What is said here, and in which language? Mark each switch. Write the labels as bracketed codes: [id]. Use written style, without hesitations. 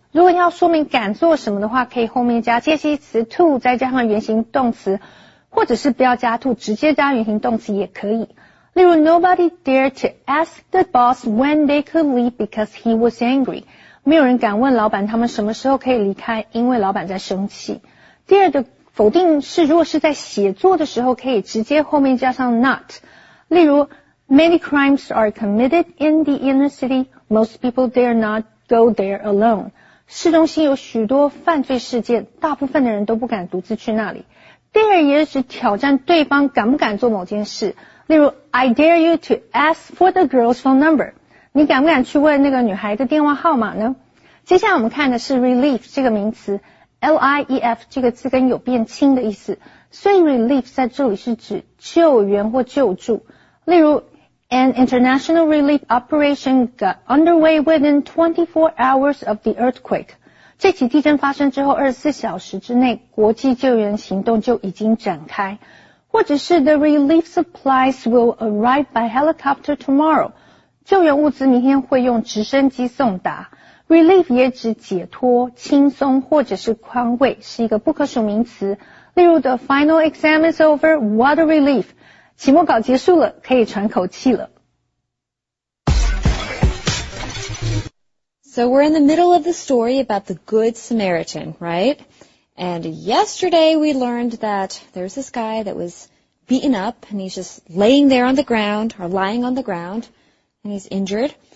[zh] 如果要说明敢做什么的话，可以后面加介系词 to 再加上原型动词，或者是不要加 to， 直接加原型动词也可以。例如 [en] ,nobody dared to ask the boss when they could leave because he was angry. [zh] 没有人敢问老板他们什么时候可以离开，因为老板在生气。 Dare 的否定是如果是在写作的时候可以直接后面加上 not。例如 [en] ,many crimes are committed in the inner city, most people dare not go there alone. [zh] 市中心有许多犯罪事件，大部分的人都不敢独自去那里。 Dare 也是挑战对方敢不敢做某件事。例如 [en] ,I dare you to ask for the girl's phone number. [zh] 你敢不敢去问那个女孩的电话号码呢？接下来我们看的是 relief 这个名词。L-I-E-F 这个字根有变轻的意思，所以 relief 在这里是指救援或救助。例如 [en] ,An international relief operation got underway within 24 hours of the earthquake. [zh] 这起地震发生之后24小时之内，国际救援行动就已经展开。或者是 [en] ,The relief supplies will arrive by helicopter tomorrow. [zh] 救援物资明天会用直升机送达。 Relief 也指解脱、轻松或者是宽慰，是一个不可数名词。例如 [en] ,The final exam is over, what a relief! [zh] 期末考结束了，可以喘口气了。 [en] So we're in the middle of the story about the Good Samaritan, right? And yesterday we learned that there's this guy that was beaten up and he's just laying there on the ground, or lying on the ground, and he's injured.